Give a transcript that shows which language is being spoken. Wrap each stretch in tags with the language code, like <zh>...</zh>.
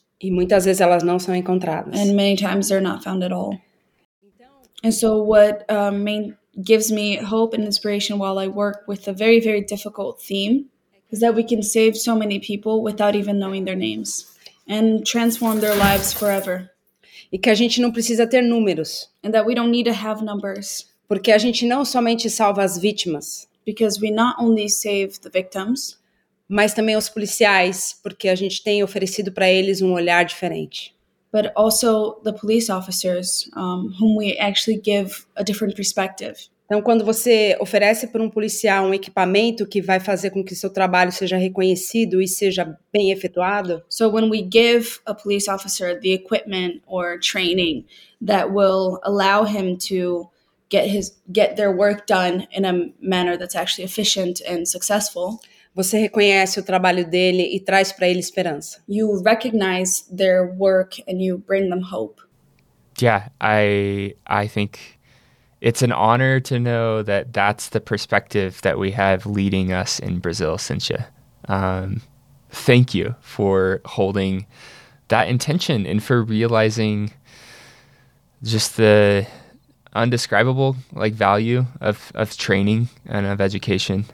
<pt>E muitas vezes elas não são encontradas.</pt> <en>And many times they're not found at all. And so what gives me hope and inspiration while I work with a very, very difficult theme is that we can save so many people without even knowing their names. and transform their lives forever.</en> <pt>E que a gente não precisa ter números.</pt> <en>And that we don't need to have numbers.</en> <pt>Porque a gente não somente salva as vítimas.</pt> <en>Because we not only save the victims.</en> <pt>Mas também os policiais, porque a gente tem oferecido para eles um olhar diferente.</pt> <en>But also the police officers, whom we actually give a different perspective.</en> <pt>Então, quando você oferece para um policial um equipamento que vai fazer com que seu trabalho seja reconhecido e seja bem efetuado.</pt> <en>So when we give a police officer the equipment or training that will allow him to get their work done in a manner that's actually efficient and successful.</en> <pt>Você reconhece o trabalho dele e traz para ele esperança.</pt> <en>You recognize their work and you bring them hope. Yeah, I think it's an honor to know that that's the perspective that we have leading us in Brazil, Cynthia. Thank you for holding that intention and for realizing just the undescribable like value of training and of education.</en>